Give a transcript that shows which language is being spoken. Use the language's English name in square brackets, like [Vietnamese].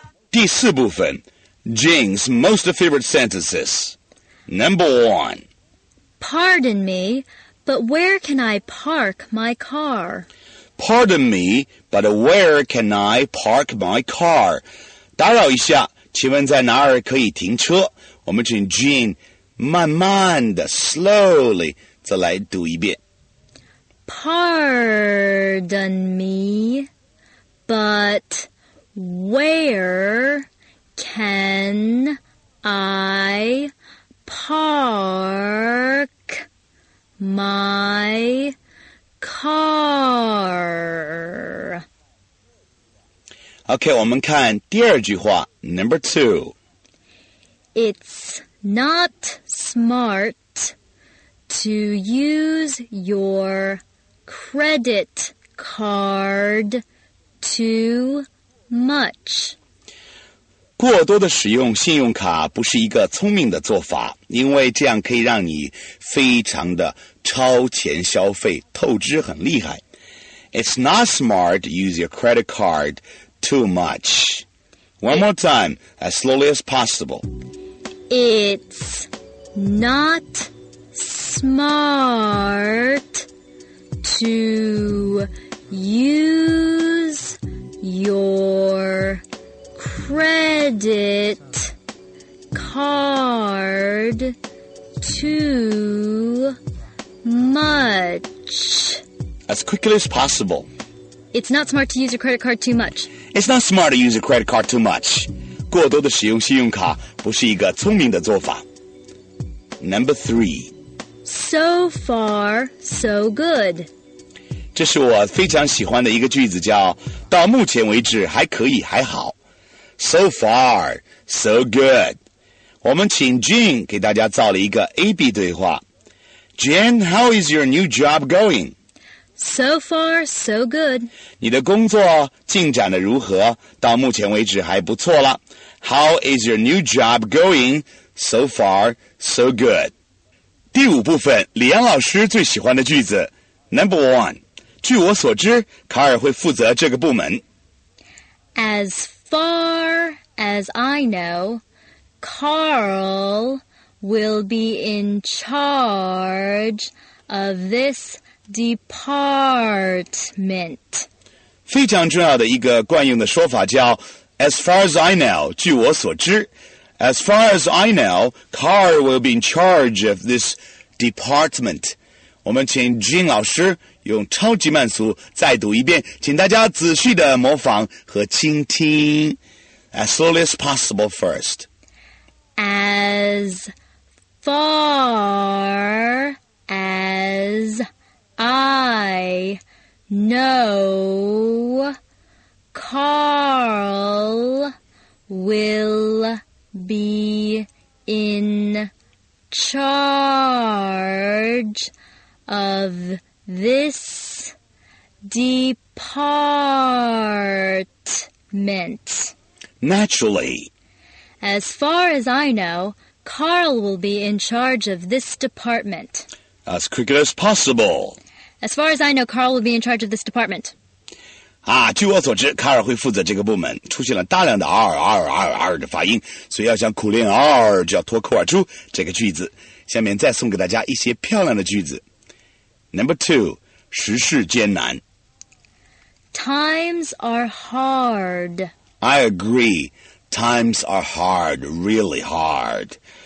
[Chinese] 第四部分 [English] Jane's most favorite sentences. Number 1. Pardon me, but where can I park my car? Pardon me, but where can I park my car? [Chinese] 打扰一下，请问在哪儿可以停车？我们请 Jane 慢慢的 [English] slowly [Chinese] 再来读一遍。 [English] Pardon me, but... Where can I park my car? [Chinese] Okay, 我们看第二句话 [English] number 2. It's not smart to use your credit card too much. [Chinese] 过多的使用信用卡不是一个聪明的做法，因为这样可以让你非常的超前消费，透支很厉害。 [English] It's not smart to use your credit card too much. One more time, as slowly as possible. It's not smart to use your credit card too much. As quickly as possible. It's not smart to use your credit card too much. It's not smart to use your credit card too much. [Chinese] 过多的使用信用卡不是一个聪明的做法。 [English] Number three. So far, so good. [Chinese] 这是我非常喜欢的一个句子，叫到目前为止还可以还好。 [English] So far, so good. [Chinese] 我们请 Jean 给大家造了一个 AB 对话。 [English] Jean, how is your new job going? So far, so good. 你的工作进展得如何？到目前为止还不错了。 How is your new job going? So far, so good. [Chinese] 第五部分，李阳老师最喜欢的句子。 [English] Number one. [Chinese] 据我所知，卡尔会负责这个部门。 [English] As far as I know, Carl will be in charge of this department. [Chinese] 非常重要的一个惯用的说法叫 [English] As far as I know, [Chinese] 据我所知 [English] As far as I know, Carl will be in charge of this department. [Chinese] 我们请 Jean 老师用超级慢速再读一遍，请大家仔细的模仿和倾听。 [English] As slowly as possible first. As far as... I know Carl will be in charge of this department. Naturally. As far as I know, Carl will be in charge of this department. As quickly as possible. As far as I know, Carl will be in charge of this department. [Chinese] 啊，据我所知，卡尔会负责这个部门。出现了大量的 R 的发音，所以要想苦练 R 就要脱口而出这个句子。下面再送给大家一些漂亮的句子。 [English] Number two, [Chinese] 时事艰难。 [English] Times are hard. I agree. Times are hard, really hard.